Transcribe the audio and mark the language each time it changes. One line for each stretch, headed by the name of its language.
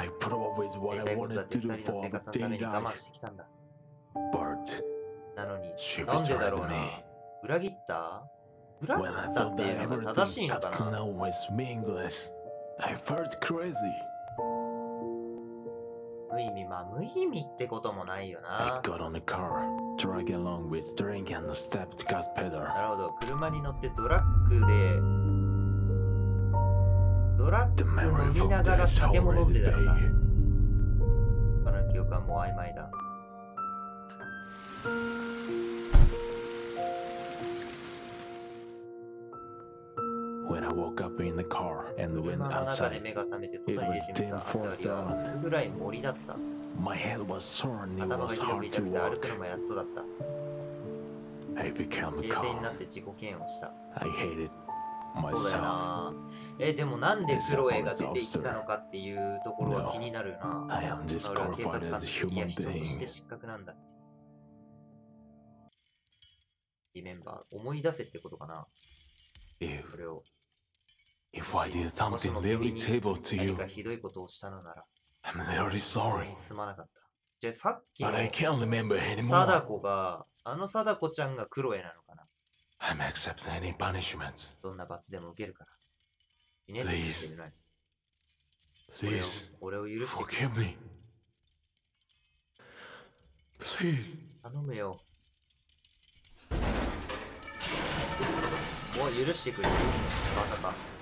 English: I probably is what I wanted to do for the day life.
Japanese: 我慢してきたんだ。
English: But,
Japanese: なのに、なんでだろうな。裏切った？裏切ったっていうのが正しいのかな。
English: When I thought that everything up to now was meaningless, I felt crazy.
Japanese: 無意味、まあ無意味ってこともないよな。
English: I got on the car. Drag along with drink and step to gas pedal.
Japanese: なるほど、車に乗ってドラッグで、ドラッグ飲みながら酒も飲んでたよな。この記憶はもう曖昧だ。
English: When I woke up in the car and went outside, it was 10:47. It was 10:47. My head was sore and it was hard to walk. I became calm. I hated myself.
Japanese: でもなんでクロエが出て行ったのかっていうところは気になるな。
English: I am disqualified as a human being.
Japanese: いや、人として失格なんだ。キーメンバー、思い出せってことかな。これを。
English: If I did something very terrible to you,
Japanese: 何かひどいことをしたのなら、
English: I'm very sorry.
Japanese: すまなかった。じゃあさっきの、
English: But I can't remember anymore.
Japanese: 貞子が、あの貞子ちゃんがクロエなのかな。
English: I'm accepting any punishment.
Japanese: どんな罰でも受けるから。
English: Please. Please.
Japanese: 俺を許して。
English: Forgive me. Please.
Japanese: 頼むよ。もう許してくれ。まさか。